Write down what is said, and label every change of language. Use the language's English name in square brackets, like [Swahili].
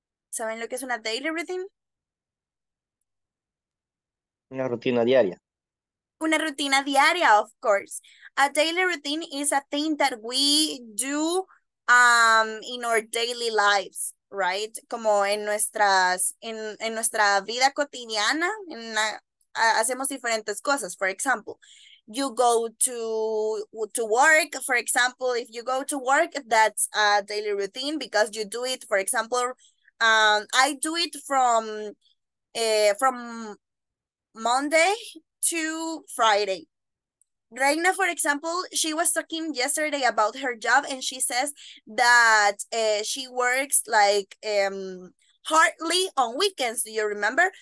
[Spanish] ¿Saben lo que es una daily routine? Una rutina diaria. Una rutina diaria, [English] of course. A daily routine is a thing that we do in our daily lives, right? [Spanish] Como en nuestras en nuestra vida cotidiana, hacemos diferentes cosas. [English] For example, you go to work. For example, if you go to work, that's a daily routine because you do it. For example, I do it from Monday to Friday. Reina, for example, she was talking yesterday about her job and she says that she works like hardly on weekends. Do you remember?